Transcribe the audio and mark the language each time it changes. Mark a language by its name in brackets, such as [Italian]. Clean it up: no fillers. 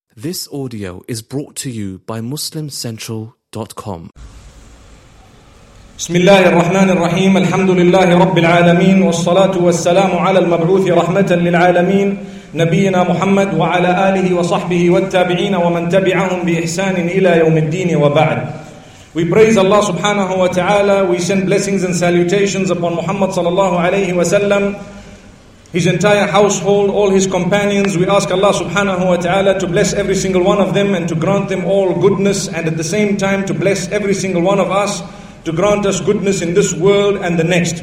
[English] This audio is brought to you by MuslimCentral.com. [Arabic] بسم الله الرحمن الرحيم. الحمد لله رب العالمين، والصلاة والسلام على المبعوث رحمة للعالمين نبينا محمد وعلى آله وصحبه والتابعين ومن تبعهم بإحسان إلى يوم الدين وبعد. [English] We praise Allah subhanahu wa ta'ala. We send blessings and salutations upon Muhammad sallallahu alayhi wa sallam, his entire household, all his companions. We ask Allah subhanahu wa ta'ala to bless every single one of them and to grant them all goodness, and at the same time to bless every single one of us, to grant us goodness in this world and the next.